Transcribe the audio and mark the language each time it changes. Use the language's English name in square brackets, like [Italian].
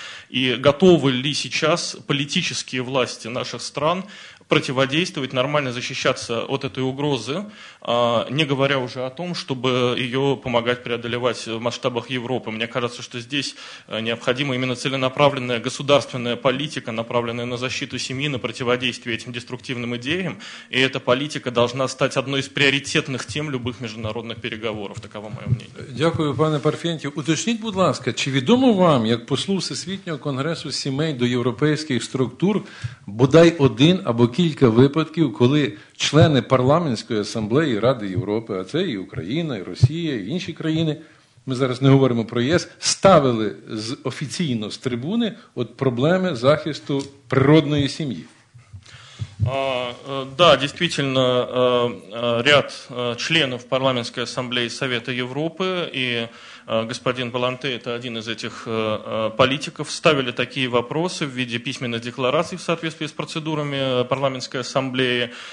[Russian] И готовы ли сейчас политические власти наших стран противодействовать, нормально защищаться от этой угрозы, не говоря уже о том, чтобы ее помогать преодолевать в масштабах Европы. Мне кажется, что здесь необходима именно целенаправленная государственная политика, направленная на защиту семьи, на противодействие этим деструктивным идеям. И эта политика должна стать одной из приоритетных тем любых международных переговоров. Таково мое мнение. [Ukrainian] Дякую, пане Парфенті. Уточніть, будь ласка, чи відомо вам, як послу Всесвітнього конгресу сімей до європейських структур, бодай один або кілька випадків, коли члени парламентської асамблеї Ради Європи, а це і Україна, і Росія, і інші країни, ми зараз не говоримо про ЄС, ставили офіційно з трибуни от проблеми захисту природної сім'ї? [Russian] Да, действительно, ряд членов парламентской ассамблеи Совета Европы и господин Волонте, это один из этих политиков, ставили такие вопросы в виде письменных деклараций в соответствии с процедурами парламентской ассамблеи.